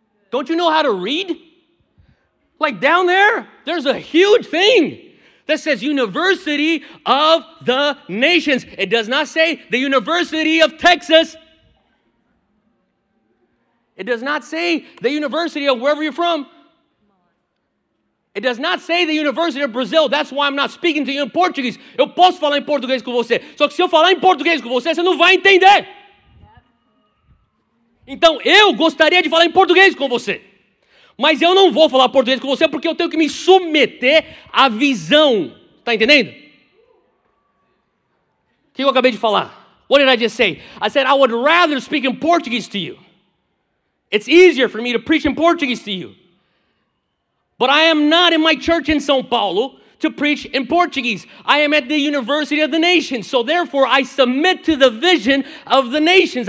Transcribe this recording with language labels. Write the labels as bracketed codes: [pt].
[en] Don't you know how to read? Like down there, there's a huge thing that says University of the Nations. It does not say the University of Texas. It does not say the university of wherever you're from. It does not say the University of Brazil. That's why I'm not speaking to you in Portuguese. [pt] Eu posso falar em português com você. Só que se eu falar em português com você, você não vai entender. Então, eu gostaria de falar em português com você. Mas eu não vou falar português com você porque eu tenho que me submeter à visão. Tá entendendo? O que eu acabei de falar? [en] What did I just say? I said, I would rather speak in Portuguese to you. It's easier for me to preach in Portuguese to you. But I am not in my church in São Paulo to preach in Portuguese. I am at the University of the Nations. So therefore, I submit to the vision of the nations.